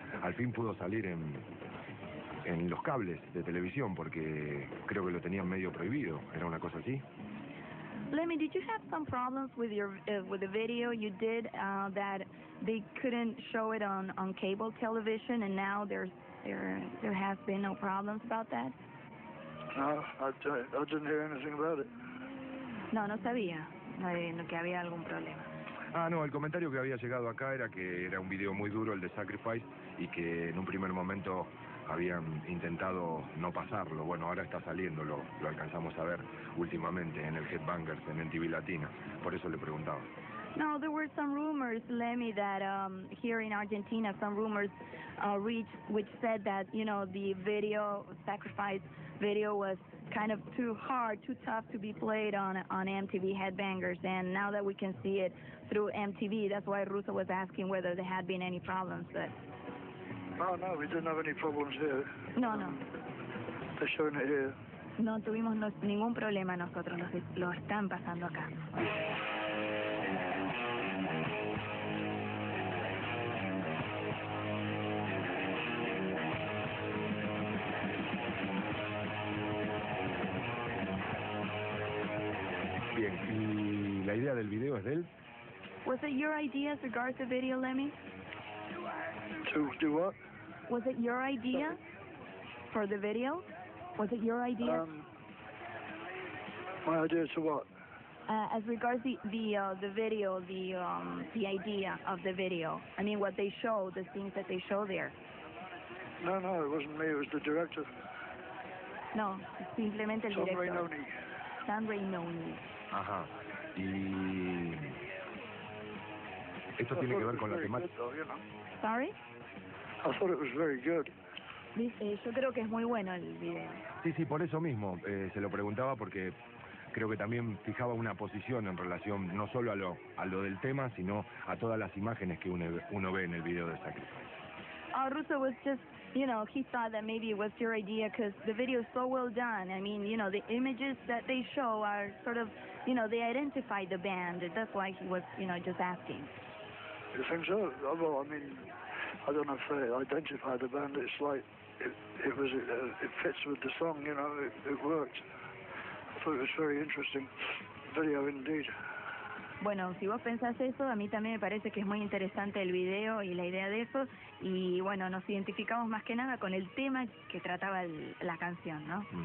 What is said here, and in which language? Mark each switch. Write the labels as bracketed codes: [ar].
[es] Al fin pudo salir en los cables de televisión, porque creo que lo tenían medio prohibido. ¿Era una cosa así? [en] Lemmy, did you have some problems with your with the video you did that they couldn't show it on cable television, and now there has been no problems about that? No, I didn't hear anything about it. [es] No, no sabía que había algún problema. Ah, no, el comentario que había llegado acá era que era un video muy duro, el de Sacrifice, y que en un primer momento habían intentado no pasarlo. Bueno, ahora está saliendo, lo alcanzamos a ver últimamente en el Headbangers, en MTV Latina. Por eso le preguntaba. [en] No, there were some rumors, Lemmy, that here in Argentina, some rumors reached, which said that, you know, the video, Sacrifice video, was kind of too hard, too tough to be played on MTV Headbangers. And now that we can see it through MTV, that's why Russo was asking whether there had been any problems, but... No, no, we didn't have any problems here. No, no. They're showing it here. [es] No tuvimos ningún problema nosotros, lo están pasando acá. Bien, ¿y la idea del video es de él? [en] Was it your idea as regards the video, Lemmy? To do what? Was it your idea for the video? Was it your idea? My idea to what? As regards the video, the idea of the video. I mean, what they show, the scenes that they show there. No, no, it wasn't me. It was the director. [es] No, simplemente el director. San Reynoni. Ajá. Y esto tiene que ver con la temática. [en] Sorry. I thought it was very good. [es] Yo creo que es muy bueno el video. Sí, sí, por eso mismo se lo preguntaba, porque creo que también fijaba una posición en relación no solo a lo del tema, sino a todas las imágenes que uno ve en el video de Sacrifice. [en] Russo was just, you know, he thought that maybe it was your idea because the video is so well done. I mean, you know, the images that they show are sort of, you know, they identify the band. That's why he was, you know, just asking. You think so? Well, I mean, I don't know if they identify the band. It's like it fits with the song, you know, it worked. I thought it was very interesting video indeed. [es] Bueno, si vos pensás eso, a mí también me parece que es muy interesante el video y la idea de eso. Y bueno, nos identificamos más que nada con el tema que trataba la canción, ¿no?